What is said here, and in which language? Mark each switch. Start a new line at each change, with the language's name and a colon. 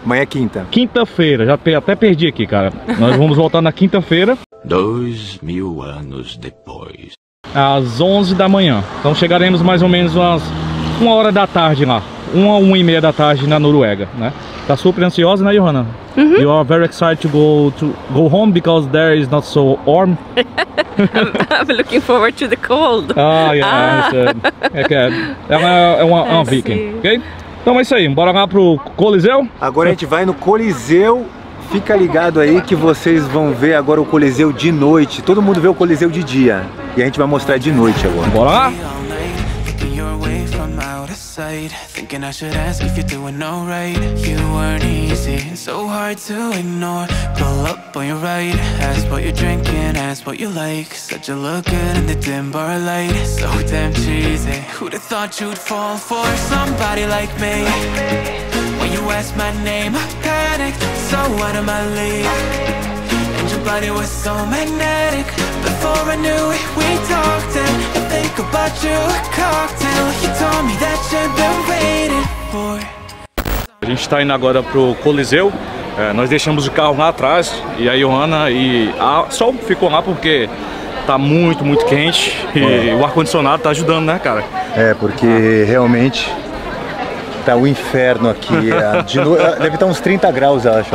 Portuguese: Amanhã é quinta. Quinta-feira. Já até perdi aqui, cara. Nós vamos voltar na quinta-feira. 2000 anos depois. Às 11 da manhã. Então chegaremos mais ou menos umas 1 hora da tarde lá. 1 a 1 e meia da tarde na Noruega, né? Tá super ansiosa, né, Johanna? Uh-huh.
English: You are very excited to go home because there is not so warm. I'm looking forward to the cold. Ah, yes. Ah. Okay.
Portuguese: É uma viking, ok? Então é isso aí, bora lá pro Coliseu? Agora a gente vai no Coliseu. Fica ligado aí que vocês vão ver agora o Coliseu de noite. Todo mundo vê o Coliseu de dia. E a gente vai mostrar de noite agora. Bora lá?
English: Thinking I should ask if you're doing alright. You weren't easy, so hard to ignore. Pull up on your right, ask what you're drinking, ask what you like. Said you look good in the dim bar light. So damn cheesy, who'd have thought you'd fall for somebody like me? When you asked my name, I panicked. So out of my league. And your body was so magnetic. Before I knew it, we talked and think about you, a cocktail. You told me that you'd been waiting for.
Portuguese: A gente está indo agora pro Coliseu. Nós deixamos o carro lá atrás e a Johanna e a Sol ficou lá porque tá muito, muito quente e o ar-condicionado tá ajudando, né, cara? É, porque realmente tá um inferno aqui. Deve estar uns 30 graus, eu acho.